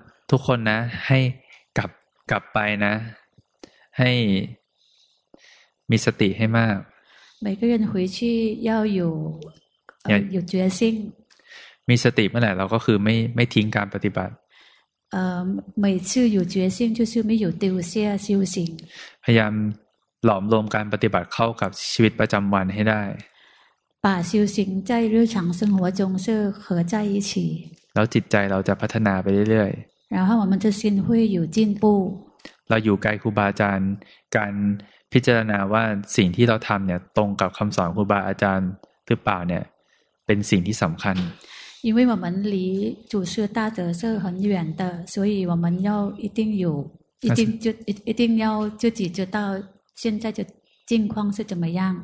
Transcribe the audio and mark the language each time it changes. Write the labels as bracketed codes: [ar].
[th] ทุกคนนะให้กลับไปนะให้มีสติให้มาก [zh] 每个人回去要有有决心 [th] มีสติเมื่อไหร่เราก็คือไม่ทิ้งการปฏิบัติ [zh] 每次有决心就是没有丢下修行 [th] พยายามหลอมรวมการปฏิบัติเข้ากับชีวิตประจำวันให้ได้ [zh] 把修行在日常生活中是合在一起 [th] แล้วจิตใจเราจะพัฒนาไปเรื่อย [zh] ๆ然后我们的心会有进步 [th] เราอยู่ใกล้ครูบาอาจารย์การพิจารณาว่าสิ่งที่เราทำเนี่ยตรงกับคำสอนครูบาอาจารย์หรือเปล่าเนี่ยเป็นสิ่งที่สำคัญ [zh] 因为我们离祖师大德是很远的所以我们要一定要自己知道现在的境况是怎么样